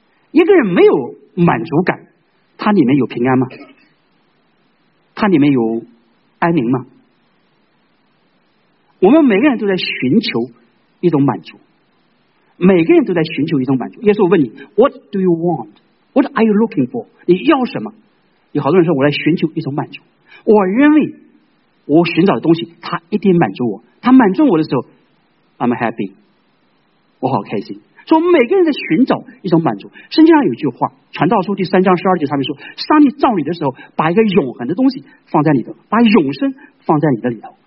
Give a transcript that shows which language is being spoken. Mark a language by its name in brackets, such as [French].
[Chinese] 一个人没有满足感，他里面有平安吗？他里面有安宁吗？我们每个人都在寻求一种满足，每个人都在寻求一种满足。耶稣问你 [English] What do you want? What are you looking for? [Chinese] 你要什么？有好多人说我来寻求一种满足，我认为我寻找的东西它一定满足我，它满足我的时候 [English] I'm happy， [Chinese] 我好开心。所以我们每个人在寻找一种满足。圣经上有一句话，传道书第三章十二节上面说，上帝造你的时候把一个永恒的东西放在里头，把永生放在你的里头。